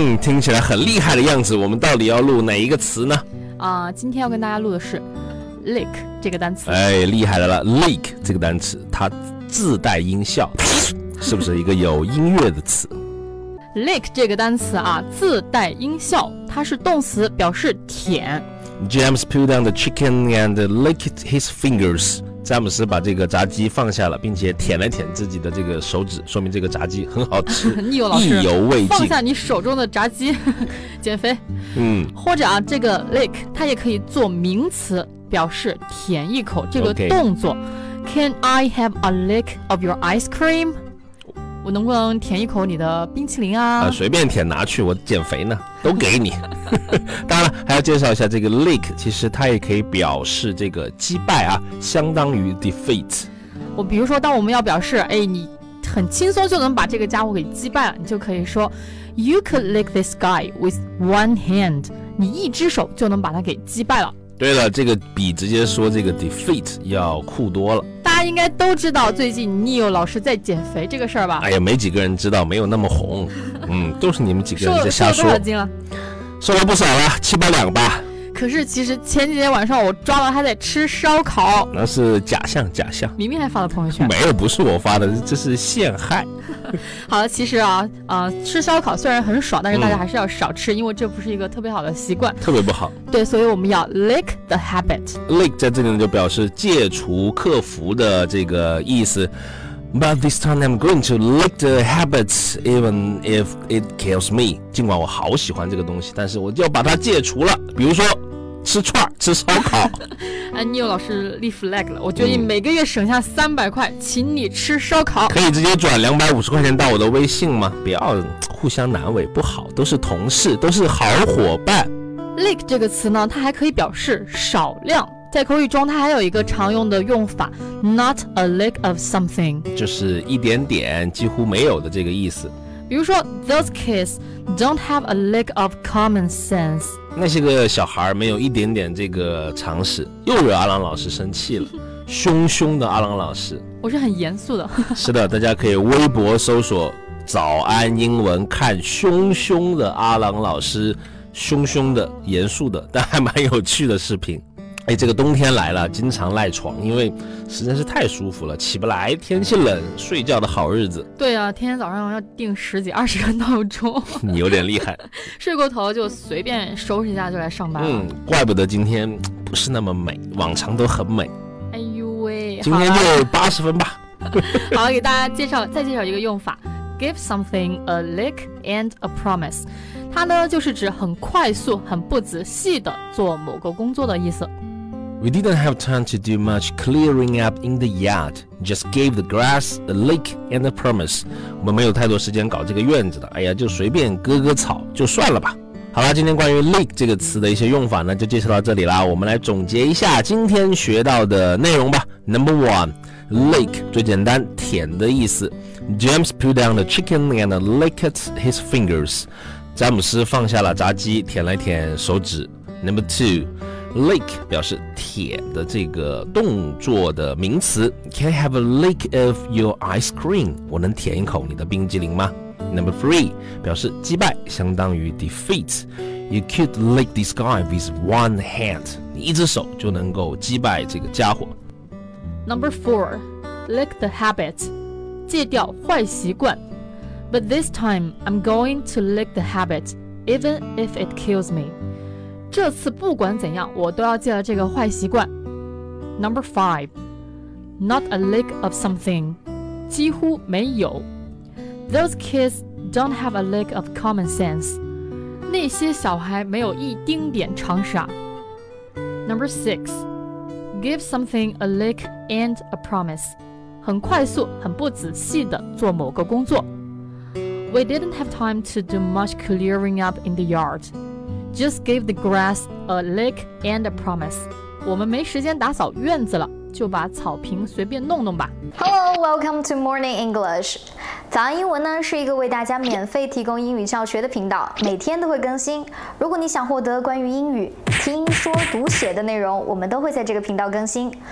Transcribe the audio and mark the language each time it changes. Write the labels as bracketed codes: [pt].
[zh] 听起来很厉害的样子，我们到底要录哪一个词呢？今天要跟大家录的是 lick 这个单词。哎，厉害的了， lick 这个单词它自带音效，是不是一个有音乐的词？ Lick 这个单词啊，自带音效，它是动词，表示舔。 [en] James pulled down the chicken and licked his fingers. [zh] 詹姆斯把这个炸鸡放下了，并且舔了舔自己的这个手指，说明这个炸鸡很好吃，意犹未尽。放下你手中的炸鸡，减肥。或者啊，这个 lick 它也可以做名词，表示舔一口这个动作。 [en] Okay. Can I have a lick of your ice cream? [zh] 我能不能舔一口你的冰淇淋啊？随便舔，拿去，我减肥呢，都给你。当然还要介绍一下这个 lick， 其实它也可以表示这个击败啊，相当于 defeat。我比如说，当我们要表示，哎，你很轻松就能把这个家伙给击败了，你就可以说 ， [en] You could lick this guy with one hand， [zh] 你一只手就能把他给击败了。对了，这个比直接说这个 defeat 要酷多了。大家应该都知道最近 Neil 老师在减肥这个事儿吧？哎呀，没几个人知道，没有那么红。都是你们几个人在瞎说。瘦了多少斤了？瘦了不少了，七八两吧。可是其实前几天晚上我抓到他在吃烧烤。那是假象，假象。明明还发了朋友圈。没有，不是我发的，这是陷害。好了，其实啊，吃烧烤虽然很爽，但是大家还是要少吃，因为这不是一个特别好的习惯。特别不好。对，所以我们要 [en] lick the habit。 [zh] lick 在这里呢就表示戒除、克服的这个意思。 [en] But this time I'm going to lick the habits even if it kills me. [zh] 尽管我好喜欢这个东西，但是我就要把它戒除了。比如说吃串，吃烧烤。 Neil 老师立 flag 了，我决定每个月省下300块，请你吃烧烤。可以直接转250块钱到我的微信吗？不要互相难为，不好，都是同事，都是好伙伴。 Lick 这个词呢，它还可以表示少量。在口语中它还有一个常用的用法， [en] not a lick of something， [zh] 就是一点点，几乎没有的这个意思。比如说 [en] those kids don't have a lick of common sense， [zh] 那些个小孩没有一点点这个常识。又惹阿郎老师生气了，凶凶的阿郎老师。我是很严肃的。是的，大家可以微博搜索早安英文，看凶凶的阿郎老师，凶凶的，严肃的，但还蛮有趣的视频。哎，这个冬天来了，经常赖床，因为实在是太舒服了，起不来，天气冷，睡觉的好日子。对啊，天天早上要定10几20个闹钟。你有点厉害。睡过头就随便收拾一下就来上班了。怪不得今天不是那么美，往常都很美。哎呦喂，今天就80分吧。好，给大家介绍一个用法， [en] give something a lick and a promise。 [zh] 它呢就是指很快速、很不仔细的做某个工作的意思。 [en] We didn't have time to do much clearing up in the yard. Just gave the grass a lick and a promise. [zh] 我们没有太多时间搞这个院子的。哎呀，就随便割割草就算了吧。好了，今天关于 lick 这个词的一些用法呢，就介绍到这里啦。我们来总结一下今天学到的内容吧。 [en] Number one, [zh] lick 最简单，舔的意思。 [en] James pulled down the chicken and licked his fingers. [zh] 詹姆斯放下了炸鸡，舔了舔手指。 [en] Number two, [zh] lick 表示舔的这个动作的名词。 [en] Can I have a lick of your ice cream? [zh] 我能舔一口你的冰激凌吗？ [en] Number three, [zh] 表示击败，相当于 defeat. [en] You could lick this guy with one hand. [zh] 你一只手就能够击败这个家伙。 [en] Number four, lick the habit. [zh] 戒掉坏习惯。 [en] But this time, I'm going to lick the habit, even if it kills me. [zh] 这次不管怎样，我都要戒了这个坏习惯。 [en] Number five, not a lick of something, [zh] 几乎没有。 [en] Those kids don't have a lick of common sense. [zh] 那些小孩没有一丁点常识啊。 [en] Number 6. Give something a lick and a promise. [zh] 很快速很不仔细地做某个工作。 [en] We didn't have time to do much clearing up in the yard. Just gave the grass a lick and a promise. [zh] 我们没时间打扫院子了，就把草坪随便弄弄吧。 [en] Hello, welcome to Morning English. [zh] 早安英文呢，是一个为大家免费提供英语教学的频道，每天都会更新。如果你想获得关于英语听说读写的内容，我们都会在这个频道更新。